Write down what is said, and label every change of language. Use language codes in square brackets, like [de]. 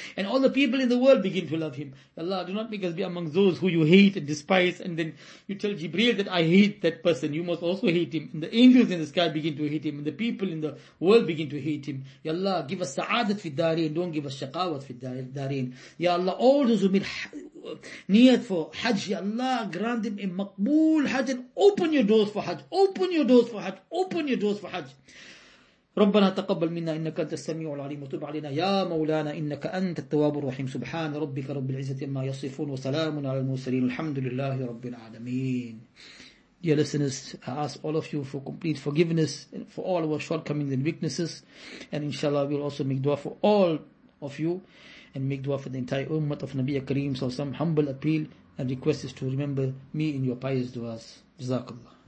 [en] And all the people in the world begin to love him. Allah, do not make us be among those who you hate and despise, and then you tell Jibreel that I hate that person, you must also hate him. And the angels in the sky begin to hate him, and the people in the world begin to hate him. Ya Allah, give us sa'adat fi dareen, don't give us shaqawat fi dareen. Ya Allah, all those who made niyat for hajj, Ya Allah, grant them a maqbool hajj, and open your doors for hajj. Open your doors for Hajj. Open your doors for Hajj. [ar] ربنا تقبل منا إنك أنت السميع العليم وتب علينا يا مولانا إنك أنت التواب الرحيم سبحان ربك رب العزة ما يصفون وسلام على المرسلين الحمد لله رب العالمين. [en] Dear listeners, I ask all of you for complete forgiveness for all our shortcomings and weaknesses, and inshallah we'll also make dua for all of you and make dua for the entire ummah of Nabiya Kareem. So some humble appeal and request is to remember me in your pious duas. Jazakallah.